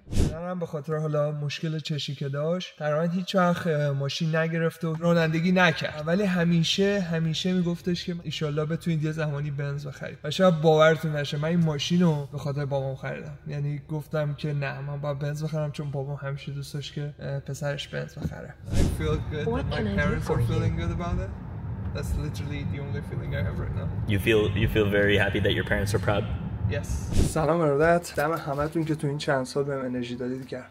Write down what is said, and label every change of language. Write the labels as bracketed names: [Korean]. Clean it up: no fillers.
[Persian] پدرم به خاطر حالا مشکل چشی که داشت تقریبا هیچ وقت ماشین نگرفت و رانندگی نکرد، ولی همیشه میگفتش که ایشالله بتونید یه زمانی بنز بخرید. و شاید باورتون نشه من این ماشین رو به خاطر بابام خریدم، یعنی گفتم که نه من باید بنز بخرم چون بابام همیشه دوست داشت که پسرش بنز بخره. [English] I feel good that my parents are feeling good about it. That's literally the only feeling I have right now. You feel very happy that your parents are proud? Yes. [Persian] سلام مردات، دم همتون که تو این چند سال بهم انرژی دادید گرم.